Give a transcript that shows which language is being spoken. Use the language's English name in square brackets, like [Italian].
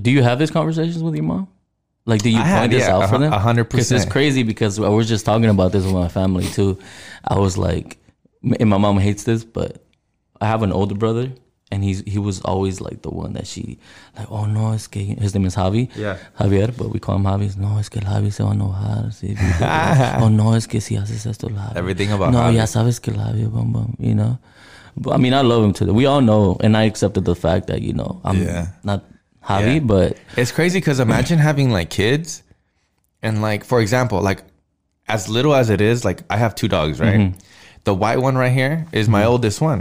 [English] Do you have these conversations with your mom? Like, do you point this out for them? 100%. Because it's crazy because I was just talking about this with my family, too. I was like, and my mom hates this, but I have an older brother. And he was always like the one that she, like, oh no, [Spanish] es que, [English] his name is Javi. Yeah. Javier, but we call him Javi. [Spanish] No, es que el Javi se va a enojar. Si, oh no, es que si haces esto, Javi. [English] Everything about no, Javi. [Spanish] No, ya sabes que el Javi, [English] boom, boom, you know? But, I mean, I love him too. We all know, and I accepted the fact that, you know, I'm not Javi, but. It's crazy because imagine having like kids and like, for example, like as little as it is, like I have two dogs, right? Mm-hmm. The white one right here is my oldest one.